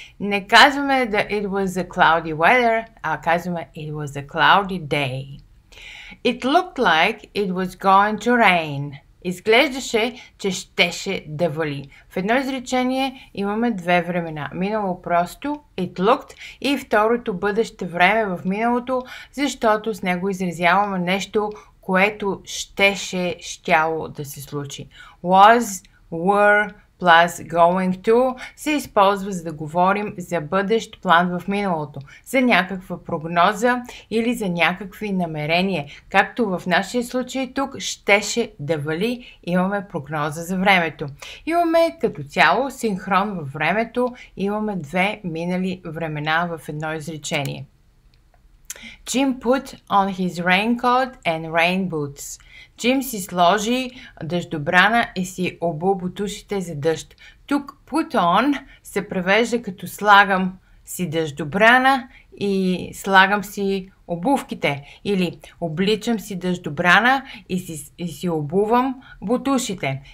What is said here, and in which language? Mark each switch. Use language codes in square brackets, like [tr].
[bg] Не казваме [en] that it was a cloudy weather, [bg] а казваме [en] it was a cloudy day. It looked like it was going to rain. [bg] Изглеждаше, че щеше да вали. В едно изречение имаме две времена. Минало просто, [en] it looked, [bg] и второто бъдеще време в миналото, защото с него изразяваме нещо, което щеше, щяло да се случи. [en] Was, were, plus going to [bg] се използва, за да говорим за бъдещ план в миналото, за някаква прогноза или за някакви намерения. Както в нашия случай тук, щеше да вали, имаме прогноза за времето. Имаме като цяло синхрон във времето, имаме две минали времена в едно изречение. [en] Jim put on his raincoat and rain boots. [bg] Jim си сложи дъждобрана и си обу бутушите за дъжд. Тук [en] put on [bg] се превежда като слагам си дъждобрана и слагам си обувките. Или обличам си дъждобрана и си обувам бутушите.